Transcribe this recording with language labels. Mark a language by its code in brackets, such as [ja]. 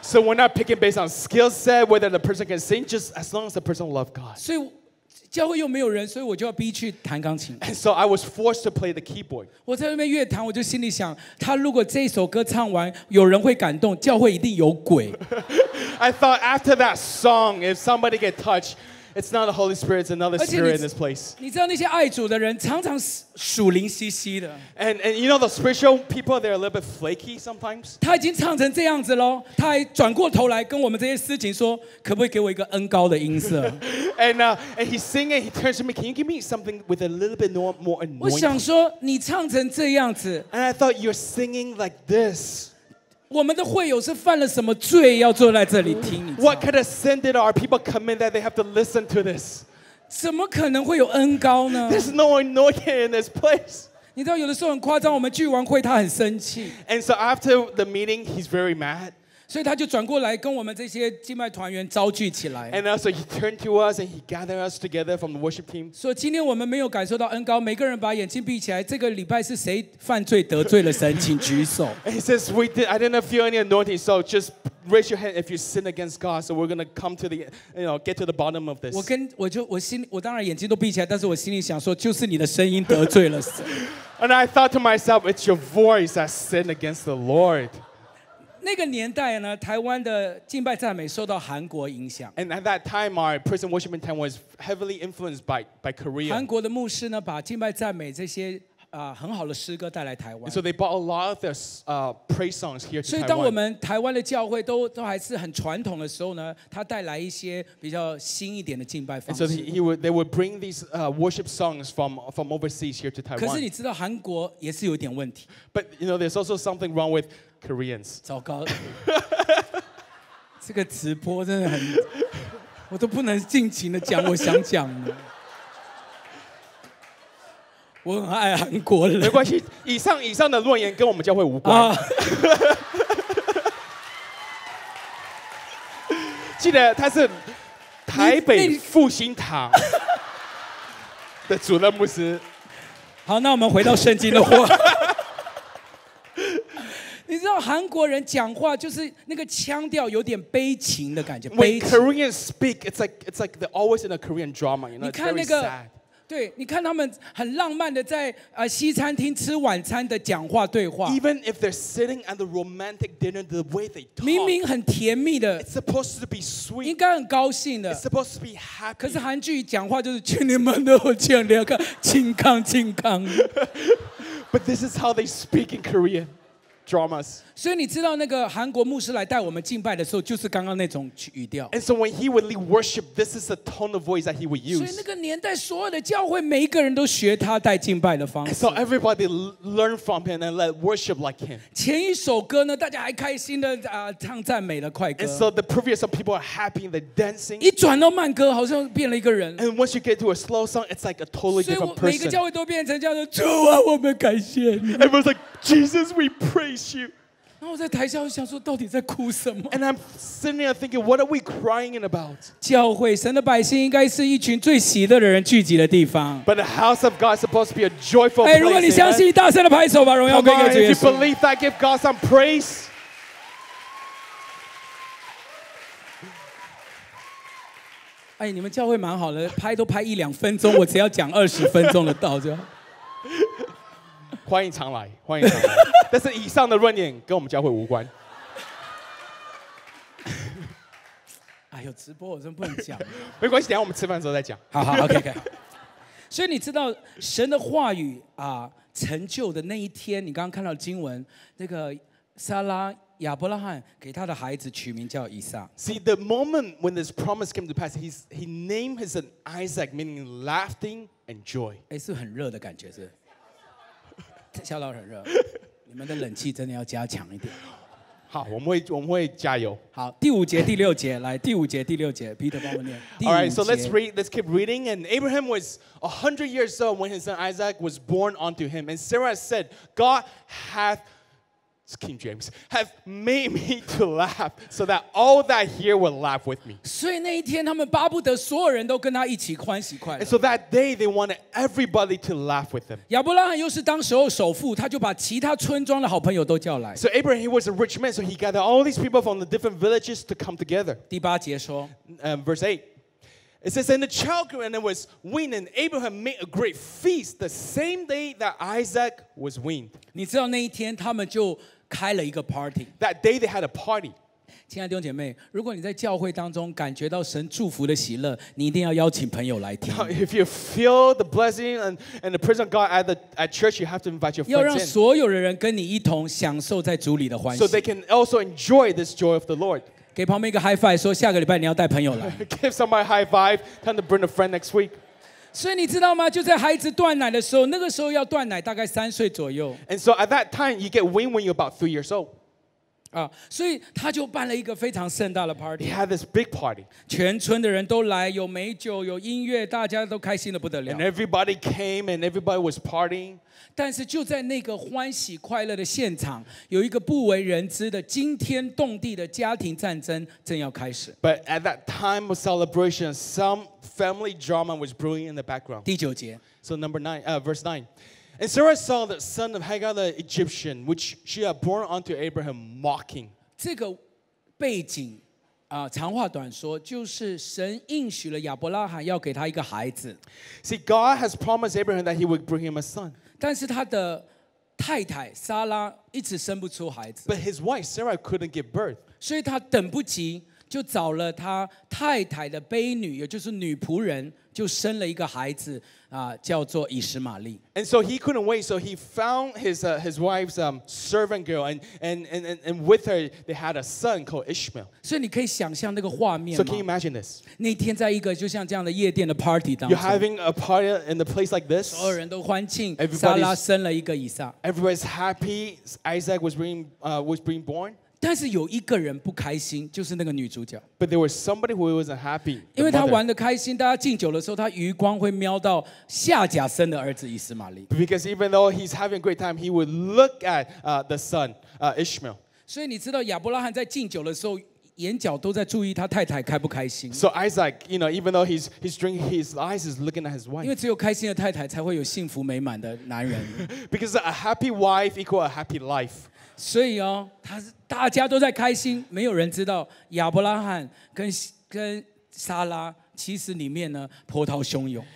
[en] So we're not picking based on skill set, whether the person can sing, just as long as the person loves God. [zh] 所以教会又没有人，所以我就要逼去弹钢琴。 [en] And so I was forced to play the keyboard. [zh] 我在那边越弹，我就心里想，他如果这首歌唱完，有人会感动，教会一定有鬼。 [en] I thought after that song, if somebody get touched, it's not the Holy Spirit, it's another spirit in this place. [zh] 你知道那些爱主的人常常属灵兮兮的。 [en] And you know the spiritual people, they're a little bit flaky sometimes. [zh] 他已经唱成这样子了，他还转过头来跟我们这些司琴说，可不可以给我一个恩高的音色？ [en] And he's singing, he turns to me, can you give me something with a little bit more anointing? [zh] 我想说你唱成这样子。 [en] And I thought you're singing like this. [zh] 我们的会友是犯了什么罪要坐在这里听你唱。 [en] What kind of sin did our people commit that they have to listen to this? [zh] 怎么可能会有恩膏呢？ [en] There's no anointing in this place. [zh] 你知道有的时候很夸张，我们聚完会他很生气。 [en] And so after the meeting, he's very mad. [zh] 所以他就转过来跟我们这些敬拜团员召聚起来。 [en] And also he turned to us and he gathered us together from the worship team. [zh] 所以今天我们没有感受到恩膏，每个人把眼睛闭起来。这个礼拜是谁犯罪得罪了神，请举手。 [en] He says I didn't feel any anointing, so just raise your hand if you sin against God. So we're gonna come to the, you know, get to the bottom of this. [zh] 我当然眼睛都闭起来，但是我心里想说，就是你的声音得罪了神。 [en] And I thought to myself, it's your voice that sinned against the Lord. [zh] 那个年代呢，台湾的敬拜赞美受到韩国影响。 [en] And at that time, our prison worship in town was heavily influenced by Korea. [zh] 韩国的牧师呢，把敬拜赞美这些很好的诗歌带来台湾。 [en] And so they brought a lot of their praise songs here to Taiwan. [zh] 所以当我们台湾的教会都还是很传统的时候呢，他带来一些比较新一点的敬拜方式。 [en] And so they would bring these worship songs from overseas here to Taiwan. [zh] 可是你知道韩国也是有点问题。 [en] But you know, there's also something wrong with. Koreans. [zh] 糟糕，这个直播真的很，我都不能尽情的讲我想讲的。我很爱韩国人。没关系，以上的论言跟我们教会无关。记得他是台北复兴堂的主任牧师。好，那我们回到圣经的话。你知道韩国人讲话就是那个腔调有点悲情的感觉。 [en] When Koreans speak, it's like they're always in a Korean drama. You know, [zh] 你看那个，对，你看他们很浪漫的在西餐厅吃晚餐的讲话对话。 [en] Even if they're sitting at the romantic dinner, the way they talk. [zh] 明明很甜蜜的。 [en] It's supposed to be sweet. [zh] 应该很高兴的。 [en] It's supposed to be happy. [zh] 可是韩剧讲话就是请你们都请两个，请康请康。 [en] But this is how they speak in Korean. Dramas. [zh] 所以你知道那个韩国牧师来带我们敬拜的时候，就是刚刚那种语调。 [en] And so when he would lead worship, this is the tone of voice that he would use. [zh] 所以那个年代所有的教会每一个人都学他带敬拜的方式。 [en] And so everybody learned from him and led worship like him. [zh] 前一首歌呢，大家还开心的唱赞美的快歌。 [en] And so the previous song, people are happy, they're dancing. [zh] 一转到慢歌，好像变了一个人。 [en] And once you get to a slow song, it's like a totally different person. [zh] 所以每个教会都变成叫做主啊，我们感谢你。 [en] Everyone's like, Jesus, we praise. [zh] 然后我在台下想说，到底在哭什么 [en] ？And I'm sitting there thinking, what are we crying about? [zh] 教会，神的百姓应该是一群最喜乐的人聚集的地方。 [en] But the house of God is supposed to be a joyful place. [zh] 哎，如果你相信，大声的拍手吧，荣耀归给主耶稣。 [en] If you believe that, give God some praise. [zh] 哎，你们教会蛮好的，拍都拍一两分钟，我只要讲二十分钟的道就。欢迎常来，欢迎常来。但是以上的论点跟我们教会无关。哎呦，直播我真不能讲。没关系，等一下我们吃饭的时候再讲。好好 ，OK OK。所以你知道神的话语成就的那一天，你刚刚看到经文，那个撒拉亚伯拉罕给他的孩子取名叫以撒。 [en] See the moment when this promise came to pass, he named his son Isaac, meaning laughing and joy. [zh] 哎，是很热的感觉是？笑到很热，你们的冷气真的要加强一点。好，我们会加油。好，第五节第六节，来第五节第六节 ，Peter 帮我念。 [en] All right, so let's keep reading. And Abraham was 100 years old when his son Isaac was born unto him. And Sarah said, "God hath King James hath made me to laugh, so that all that hear will laugh with me." [zh] 所以那一天，他们巴不得所有人都跟他一起欢喜快乐。 [en] And so that day, they wanted everybody to laugh with them. [zh] 亚伯拉罕又是当时候首富，他就把其他村庄的好朋友都叫来。 [en] So Abraham, he was a rich man, so he gathered all these people from the different villages to come together. [zh] 第八节说 [en] verse 8. It says, and the child grew, and it was weaned, and Abraham made a great feast the same day that Isaac was weaned. [zh] 你知道那一天他们就开了一个 party. [en] That day they had a party. [zh] 亲爱的弟兄姐妹，如果你在教会当中感觉到神祝福的喜乐，你一定要邀请朋友来听。 [en] Now, if you feel the blessing and the presence of God at church, you have to invite your friends. [zh] 要让所有的人跟你一同享受在主里的欢喜。 [en] So they can also enjoy this joy of the Lord. [zh] 给旁边一个 high five， 说下个礼拜你要带朋友来。 [en] Give somebody high five. Time to bring a friend next week. [zh] 所以你知道吗？就在孩子断奶的时候，那个时候要断奶，大概三岁左右。 [en] And so at that time, you get weaned when you're about 3 years old. [zh] 啊，所以他就办了一个非常盛大的 party. [en] He had this big party. [zh] 全村的人都来，有美酒，有音乐，大家都开心的不得了。 [en] And everybody came, and everybody was partying. [zh] 但是就在那个欢喜快乐的现场，有一个不为人知的惊天动地的家庭战争正要开始。 [en] But at that time of celebration, some family drama was brewing in the background. [zh] 第九节。 [en] So number nine, verse nine. And Sarah saw the son of Hagar the Egyptian, which she had born unto Abraham, mocking. [zh] 这个背景。长话短说，就是神应许了亚伯拉罕要给他一个孩子。 [en] See, God has promised Abraham that He would bring him a son. [zh] 但是他的太太撒拉一直生不出孩子。 [en] But his wife Sarah couldn't give birth. [zh] 所以他等不及，就找了他太太的婢女，也就是女仆人，就生了一个孩子叫做以实玛利。 [en] And so he couldn't wait, so he found his wife's servant girl, and with her they had a son called Ishmael. [zh] 所以你可以想象那个画面吗 [en] ？So can you imagine this? [zh] 那天在一个就像这样的夜店的 party 当中 [en] ，You're having a party in a place like this. [zh] 所有人都欢庆，撒拉生了一个以撒。 [en] Everybody's happy. Isaac was being born. [zh] 但是有一个人不开心，就是那个女主角。 [en] But there was somebody who wasn't happy. [zh] 因为她玩得开心，大家敬酒的时候，她余光会瞄到夏甲生的儿子以实玛利。 [en] Because even though he's having a great time, he would look at the son, Ishmael. [zh] 所以你知道亚伯拉罕在敬酒的时候，眼角都在注意他太太开不开心。 [en] So Isaac, you know, even though he's drinking, his eyes is looking at his wife. [zh] 因为只有开心的太太才会有幸福美满的男人。 [en] Because a happy wife equal a happy life. [zh] 所以哦，他大家都在开心，没有人知道亚伯拉罕跟撒拉其实里面呢波涛汹涌。